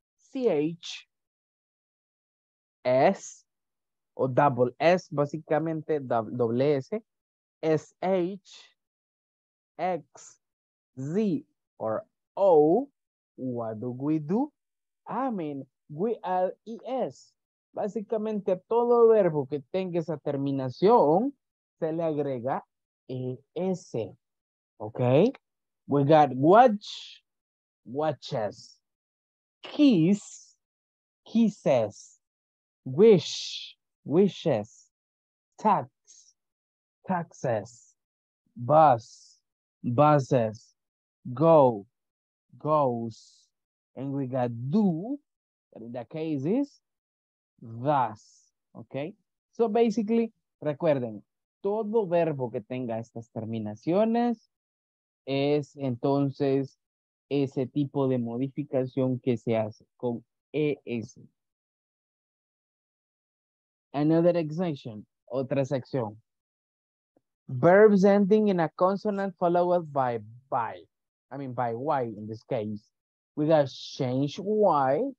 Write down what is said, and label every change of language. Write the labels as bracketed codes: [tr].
[en] CH, S, o double S, [es] básicamente doble [en] S, SH, X, Z, or O, what do we do? I mean, we add ES. [es] Básicamente, todo verbo que tenga esa terminación, se le agrega ES. [en] Okay? We got watch, watches. Kiss, kisses, wish, wishes, tax, taxes, bus, buses, go, goes, and we got do, but in that case is thus, okay? So basically, [es] recuerden, todo verbo que tenga estas terminaciones es entonces ese tipo de modificación que se hace con ES. [en] Another exception, [es] otra sección. [en] Verbs ending in a consonant followed by Y, in this case. We got change Y